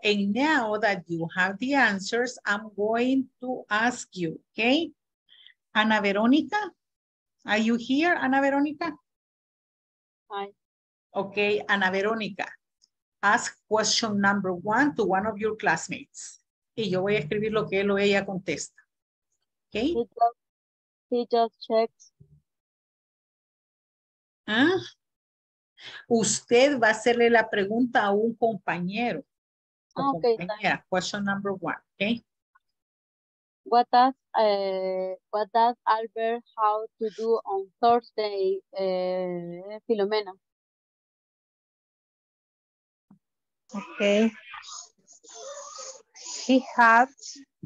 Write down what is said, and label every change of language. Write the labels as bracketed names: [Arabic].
[English] And now that you have the answers, I'm going to ask you, okay? Ana Veronica, are you here, Ana Veronica? Hi. Okay, Ana Veronica. Ask question number one to one of your classmates. [Spanish] Y yo voy a escribir lo que él o ella contesta. [English] Okay? He just checks. [Spanish] Usted va a hacerle la pregunta a un compañero. [English] Okay. Question number one. Okay? What does Albert have to do on Thursday, Filomena? Okay, he has